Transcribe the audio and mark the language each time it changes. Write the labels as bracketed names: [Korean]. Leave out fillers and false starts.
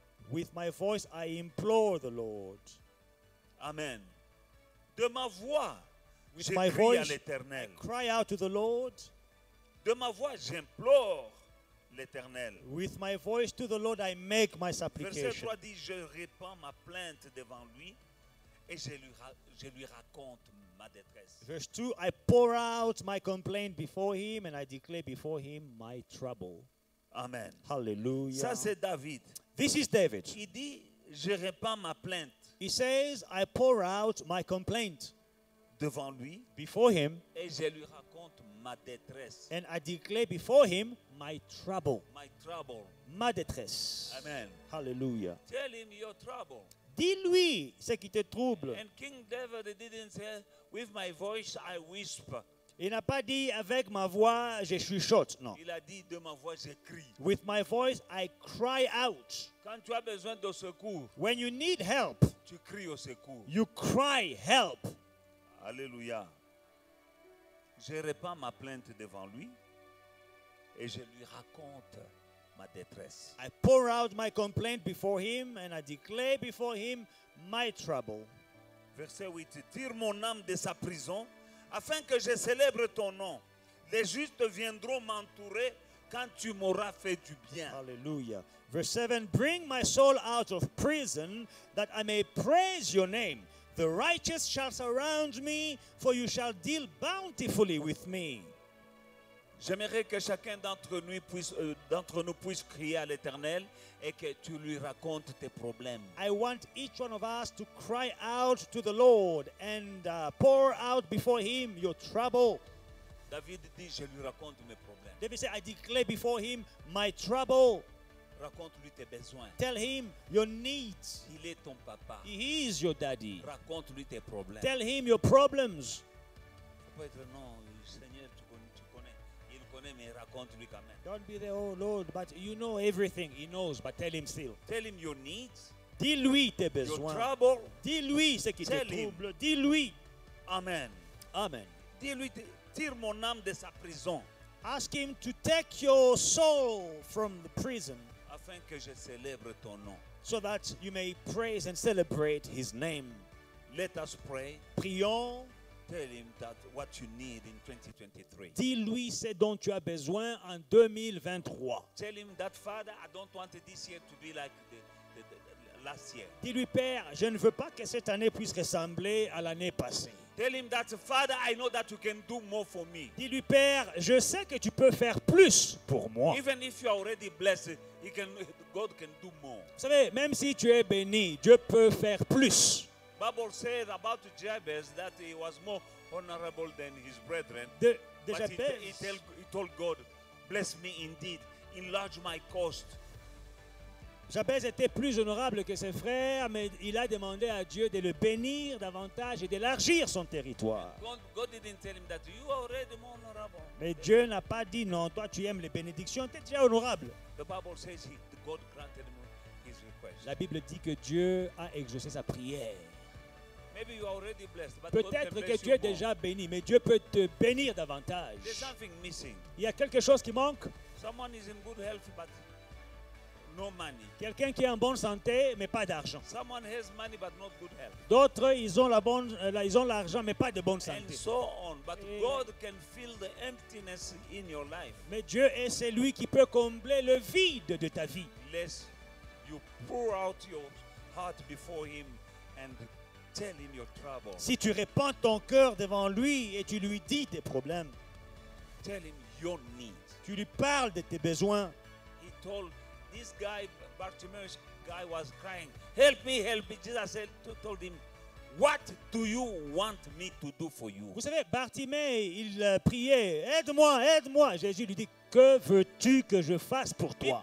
[English] With my voice, I implore the Lord. [French] Amen. De ma voix, [English] with [French] je [English] my [French] crie [English] voice, [French] à l'Éternel. [English] I cry out to the Lord. [French] De ma voix, j'implore l'Éternel. [English] With my voice to the Lord, I make my supplication. [French] Verset 3 dit, je répands ma plainte devant lui et je lui raconte ma détresse. [English] Verse 2, I pour out my complaint before him and I declare before him my trouble. Amen. Hallelujah. [French] Ça c'est David. [English] This is David. [French] Il dit, je répands ma plainte. [English] He says, I pour out my complaint [French] devant lui, [English] before him, [French] et je lui raconte ma détresse. [English] And I declare before him my trouble. My trouble. [French] Ma détresse. Amen. Hallelujah. [English] Tell him your trouble. [French] Dis-lui ce qui te trouble. [English] And King David didn't say, with my voice I whisper. [French] Il n'a pas dit avec ma voix je chuchote, non. Il a dit de ma voix je crie. [English] With my voice I cry out. [French] Quand tu as besoin de secours, [English] when you need help, [French] tu cries au secours. [English] You cry help. Alléluia. [French] Je répands ma plainte devant lui et je lui raconte ma détresse. [English] I pour out my complaint before him and I declare before him my trouble. [French] Verset 8, tire mon âme de sa prison afin que je célèbre ton nom. Les justes viendront m'entourer quand tu m'auras fait du bien. Alléluia. [English] Verse 7, bring my soul out of prison that I may praise your name. The righteous shall surround me, for you shall deal bountifully with me. [French] J'aimerais que chacun d'entre nous puisse crier à l'Éternel et que tu lui racontes tes problèmes. [English] I want each one of us to cry out to the Lord and pour out before him your trouble. [French] David dit, je lui raconte mes problèmes. [English] David said, I declare before him my trouble. [French] Raconte-lui tes besoins. [English] Tell him your needs. [French] Il est ton papa. [English] He is your daddy. [French] Raconte-lui tes problèmes. [English] Tell him your problems. [French] Ça peut être, non, Seigneur, tu connais. Il connaît, mais raconte-lui quand même. [English] Don't be the oh Lord, but you know everything. He knows, but tell him still. Tell him your needs. Dis-lui tes besoins. Your trouble. [French] Dis-lui ce qui te trouble. Dis-lui. Amen. Amen. Dis-lui, tire mon âme de sa prison. [English] Ask him to take your soul from the prison. [French] Afin que je célèbre ton nom. [English] So that you may praise and celebrate his name. Let us pray. [French] Prions. [English] Tell him that what you need in 2023. [French] Dis-lui ce dont tu as besoin en 2023. [English] Tell him that, Father, I don't want this year to be like the last year. [French] Dis-lui, Père, je ne veux pas que cette année puisse ressembler à l'année passée. [English] Tell him that, Father, I know that you can do more for me. [French] Dis-lui, Père, je sais que tu peux faire plus pour moi. [English] Even if you are already blessed, God can do more. [French] Vous savez, même si tu es béni, Dieu peut faire plus. [English] Bible says about Jabez that he was more honorable than his brethren. [French] De [English] but Jabez, he told God, bless me indeed, enlarge my coast. [French] Jabez était plus honorable que ses frères, mais il a demandé à Dieu de le bénir davantage et d'élargir son territoire. [English] God didn't tell him that you are already more honorable. [French] Mais Dieu n'a pas dit non, toi tu aimes les bénédictions, tu es déjà honorable. [English] The Bible says God granted him his request. [French] La Bible dit que Dieu a exaucé sa prière. [English] Maybe you are already blessed, but [French] peut-être [English] God [French] que tu es déjà [English] more. [French] Béni, mais Dieu peut te bénir davantage. [English] There's something missing. [French] Il y a quelque chose qui manque. [English] Someone is in good health, but no money. [French] Quelqu'un qui est en bonne santé, mais pas d'argent. [English] Someone has money, but not good health. [French] D'autres, ils ont l'argent, mais pas de bonne santé. [English] And so on. But God can fill the emptiness in your life. [French] Mais Dieu est celui qui peut combler le vide de ta vie. [English] Unless you pour out your heart before him and tell him your trouble. [French] Si tu répands ton cœur devant lui et tu lui dis tes problèmes. [English] Tell him your needs. [French] Tu lui parles de tes besoins. [English] He told this guy, Bartimaeus guy, was crying. Help me, help me. Jesus told him, what do you want me to do for you? [French] Vous savez, Bartimée, il priait, aide-moi, aide-moi. Jésus lui dit, que veux-tu que je fasse pour toi?